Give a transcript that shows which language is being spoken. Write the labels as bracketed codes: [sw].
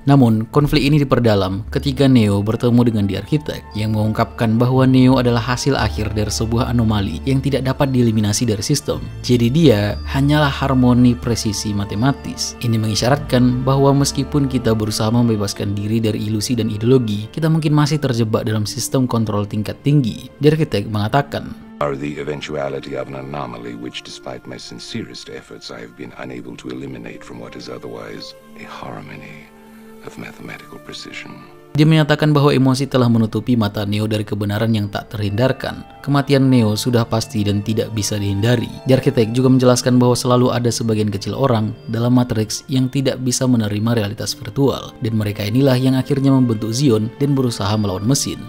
[id] Namun, konflik ini diperdalam ketika Neo bertemu dengan The Architect, yang mengungkapkan bahwa Neo adalah hasil akhir dari sebuah anomali yang tidak dapat dieliminasi dari sistem. Jadi dia hanyalah harmoni presisi matematis. Ini mengisyaratkan bahwa meskipun kita berusaha membebaskan diri dari ilusi dan ideologi, kita mungkin masih terjebak dalam sistem kontrol tingkat tinggi. The Architect mengatakan, [en] are the eventuality of an anomaly which despite my sincerest efforts I have been unable to eliminate from what is otherwise a harmony of mathematical precision. [id] Dia menyatakan bahwa emosi telah menutupi mata Neo dari kebenaran yang tak terhindarkan. Kematian Neo sudah pasti dan tidak bisa dihindari. The Architect juga menjelaskan bahwa selalu ada sebagian kecil orang dalam Matrix yang tidak bisa menerima realitas virtual. Dan mereka inilah yang akhirnya membentuk Zion dan berusaha melawan mesin.